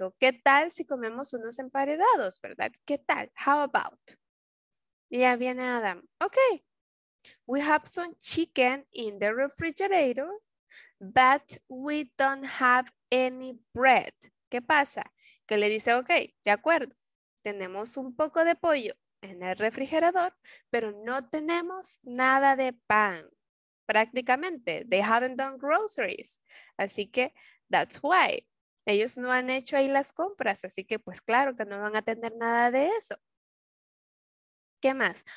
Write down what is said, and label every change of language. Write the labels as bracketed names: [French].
[Spanish] ¿O qué tal si comemos unos emparedados, verdad? ¿Qué tal? [English] How about? [Spanish] Y ya viene Adam. Ok. [English] We have some chicken in the refrigerator, but we don't have any bread. [Spanish] ¿Qué pasa? Que le dice, ok, de acuerdo, tenemos un poco de pollo en el refrigerador, pero no tenemos nada de pan. [English] Prácticamente, they haven't done groceries. [Spanish] Así que, [English] that's why. [Spanish] Ellos no han hecho ahí las compras, así que pues claro que no van a tener nada de eso. ¿Qué más?